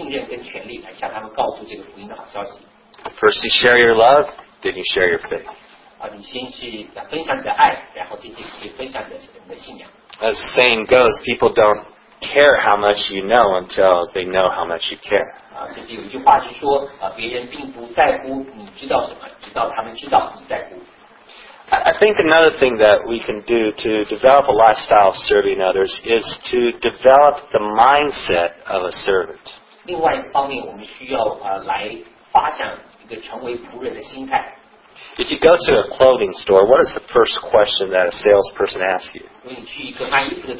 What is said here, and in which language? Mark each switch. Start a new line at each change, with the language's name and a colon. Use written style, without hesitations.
Chinese: 在教会之外的机构来服侍有个好处，也就是我们可以在其中来见证神的爱，有机会让我们能够赢取他们的信任跟权利，来向他们告诉这个福音的好消息。
English: First, you share your love, then you share your faith.
Chinese: 你先去分享你的爱，然后进去分享你的信仰。
English: As the saying goes, people don't care how much you know until they know how much you care.
Chinese: 可是有一句话是说，别人并不在乎你知道什么，直到他们知道你在乎。
English: I think another thing that we can do to develop a lifestyle of serving others is to develop the mindset of a servant.
Chinese: 另外一方面，我们需要来发展一个成为仆人的心态。
English: If you go to a clothing store, what is the first question that a salesperson asks you?